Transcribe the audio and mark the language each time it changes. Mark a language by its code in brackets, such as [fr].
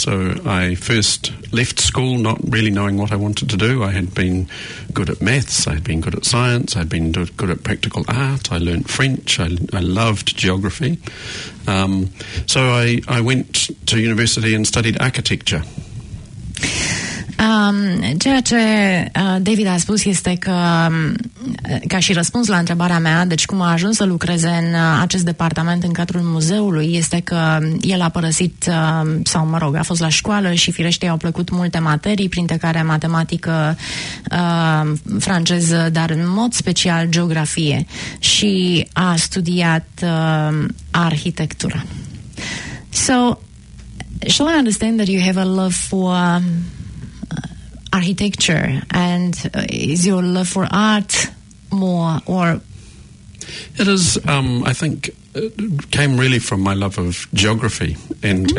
[en] So I first left school not really knowing what I wanted to do. I had been good at maths, I had been good at science, I had been good at practical art, I learnt French, I loved geography. So I went to university and studied architecture. [ro] Ceea ce David a spus este că, ca și răspuns la întrebarea mea, deci cum a ajuns să lucreze în acest departament în cadrul muzeului, este că el a părăsit, sau mă rog, a fost la școală și firește i-au plăcut multe materii, printre care matematică, franceză, dar în mod special geografie, și a studiat arhitectura. [en] So, shall I understand that you have a love for architecture, and is your love for art more, or it is I think it came really from my love of geography and mm-hmm.